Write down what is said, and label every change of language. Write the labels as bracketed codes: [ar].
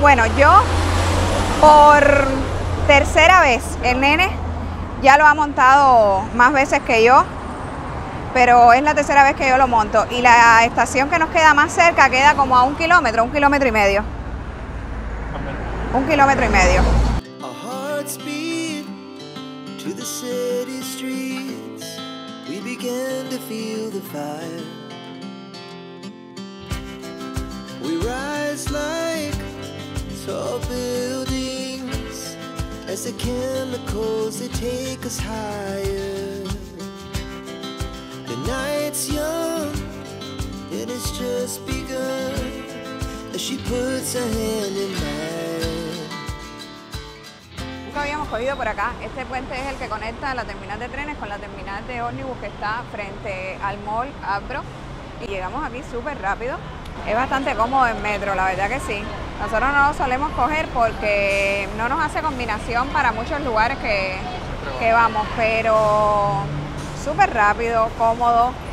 [es] Bueno, yo por tercera vez, el nene ya lo ha montado más veces que yo, pero es la tercera vez que yo lo monto. Y la estación que nos queda más cerca queda como a 1 kilómetro y medio. 1 kilómetro y medio. [en] Our hearts beat to the city streets. We begin to feel the fire. We rise like tall buildings as the chemicals they take us higher. The night's young and it's just begun as she puts her hand in mine. [es] Habíamos cogido por acá. Este puente es el que conecta la terminal de trenes con la terminal de ómnibus que está frente al mall Abro, y llegamos aquí súper rápido. Es bastante cómodo el metro, la verdad que sí. Nosotros no lo solemos coger porque no nos hace combinación para muchos lugares que vamos, pero súper rápido, cómodo.